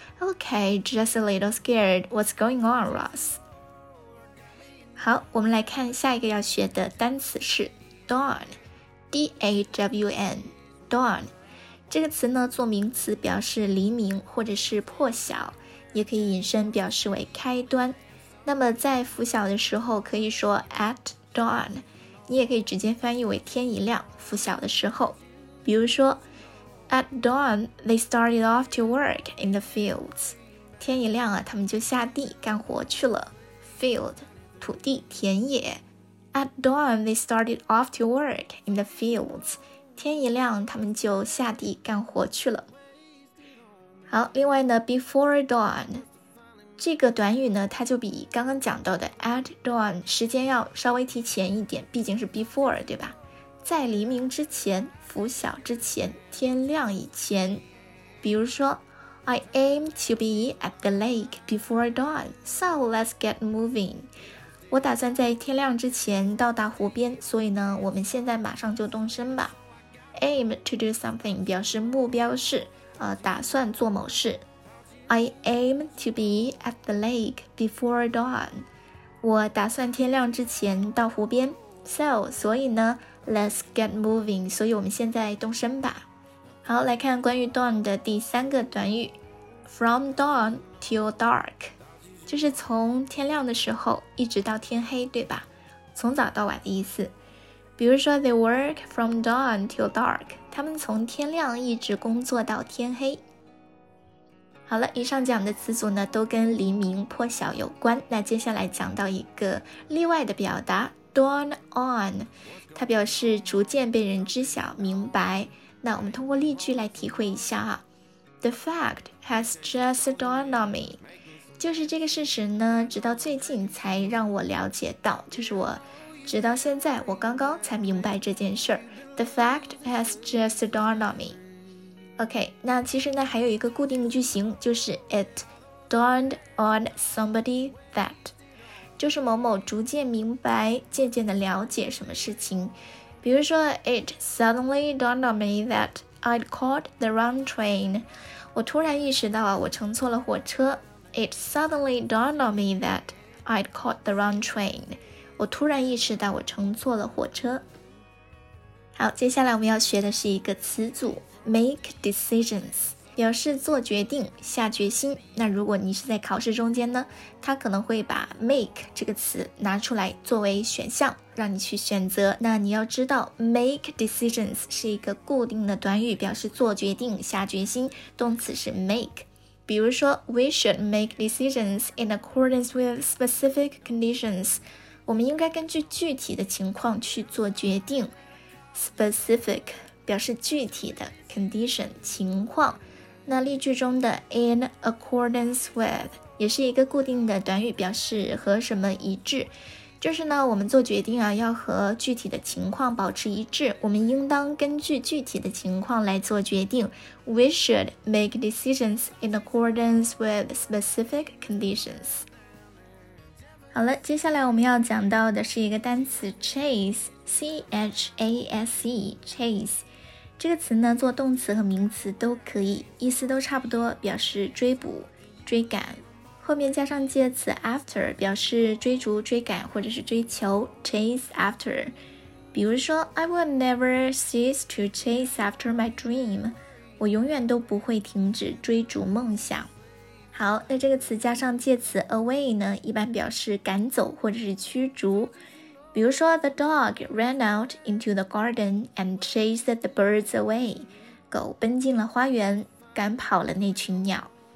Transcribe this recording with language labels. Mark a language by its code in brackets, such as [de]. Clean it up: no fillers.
[en] Okay, just a little scared. What's going on, Ross? [zh] 好，我们来看下一个要学的单词是 dawn. [en] D-A-W-N. Dawn. [zh] 这个词呢，做名词表示黎明或者是破晓，也可以引申表示为开端。那么在拂晓的时候可以说 at dawn， 你也可以直接翻译为天一亮，拂晓的时候。比如说 [en] at dawn they started off to work in the fields， [zh] 天一亮啊，他们就下地干活去了。 field 土地田野， [en] at dawn they started off to work in the fields， [zh] 天一亮他们就下地干活去了。好，另外呢 before dawn这个短语呢，它就比刚刚讲到的 at dawn 时间要稍微提前一点，毕竟是 before 对吧，在黎明之前，拂晓之前，天亮以前。 [en] 比如说 I aim to be at the lake before dawn, so let's get moving. [zh] 我打算在天亮之前到达湖边，所以呢我们现在马上就动身吧。 aim to do something 表示目标是打算做某事。 [en] I aim to be at the lake before dawn. [zh] 我打算天亮之前到湖边。 [en] So, [zh] 所以呢 [en] let's get moving. [zh] 所以我们现在动身吧。好，来看关于 dawn 的第三个短语。 [en] From dawn till dark. [zh] 就是从天亮的时候一直到天黑对吧，从早到晚的意思。比如说 [en] they work from dawn till dark. [zh] 他们从天亮一直工作到天黑。好了，以上讲的词组呢都跟黎明破晓有关。那接下来讲到一个例外的表达 dawn on， 它表示逐渐被人知晓明白。那我们通过例句来体会一下啊。 [en] The fact has just dawned on me， [zh] 就是这个事实呢直到最近才让我了解到，就是我直到现在我刚刚才明白这件事。 [en] The fact has just dawned on meOK， [zh] 那其实呢还有一个固定句型，就是 [en] It dawned on somebody that， [zh] 就是某某逐渐明白渐渐的了解什么事情。比如说 [en] It suddenly dawned on me that I'd caught the wrong train， [zh] 我突然意识到我乘错了火车。 [en] It suddenly dawned on me that I'd caught the wrong train， [zh] 我突然意识到我乘错了火车。好，接下来我们要学的是一个词组Make decisions， 表示做决定下决心。那如果你是在考试中间呢，他可能会把 make 这个词拿出来作为选项让你去选择。那你要知道 make decisions 是一个固定的短语，表示做决定下决心，动词是 make。比如说 [en] We should make decisions in accordance with specific conditions， [zh] 我们应该根据具体的情况去做决定。 specific 表示具体的，condition 情况。那例句中的 in accordance with 也是一个固定的短语，表示和什么一致，就是呢我们做决定啊要和具体的情况保持一致，我们应当根据具体的情况来做决定。 [en] We should make decisions in accordance with specific conditions。 [zh] 好了，接下来我们要讲到的是一个单词 chase， C-H-A-S-E chase。这个词呢做动词和名词都可以，意思都差不多，表示追捕追赶，后面加上介词 after 表示追逐追赶或者是追求， chase after。比如说 [en] I will never cease to chase after my dream， [zh] 我永远都不会停止追逐梦想。好，那这个词加上介词 away 呢一般表示赶走或者是驱逐，比如说 [en] the dog ran out into the garden and chased the birds away， [zh] 狗奔进了花园赶跑了那群鸟。